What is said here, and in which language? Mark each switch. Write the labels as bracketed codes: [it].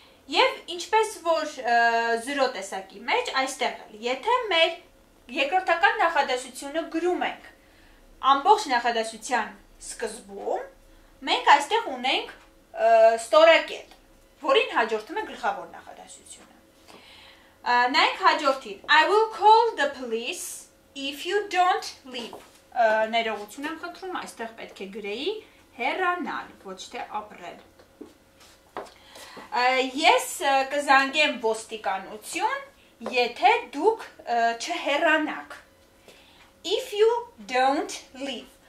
[hy] Եվ ինչպես որ 0 տեսակի մեջ այստեղ էլ, եթե մեր երկրորդական նախադասությունը գրում ենք ամբողջ նախադասության սկզբում, մենք այստեղ ունենք ստորակետ, որին հաջորդում է գլխավոր նախադասությունը։ Նայեք հաջորդին. [en] I will call the police if you don't leave. [hy] Ներողություն եմ խնդրում, այստեղ պետք է գրեի հեռանալ, ոչ թե ապրել։ Ես կզանգեմ ոստիկանություն, եթե դուք չհեռանաք։ [en] If you don't leave.